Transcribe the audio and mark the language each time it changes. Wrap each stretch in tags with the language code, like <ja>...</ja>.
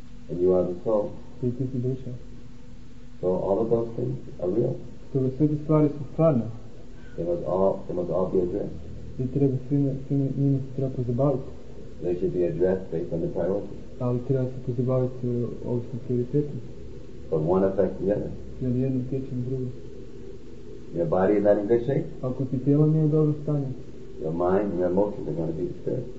<en>And you are the soul.</en> <hr>I ti si duša.</hr> <en>So all of those things are real.</en> <hr>Toga sve te stvari su stvarne.</hr> <en>They must all be addressed.</en> <hr>I treba svime njima se treba pozabaviti.</hr> <en>They should be addressed based on the priorities.</en> <hr>Ali treba se pozabaviti ovisno prioritetom.</hr> <en>But one affects the other.</en> <hr>Jer jedno utječe na drugo.</hr> <en>Your body is not in good shape.</en> <hr>Ako ti tijelo nije u dobro stanje.</hr> <en>Your mind and your emotions are going to be disturbed.</en>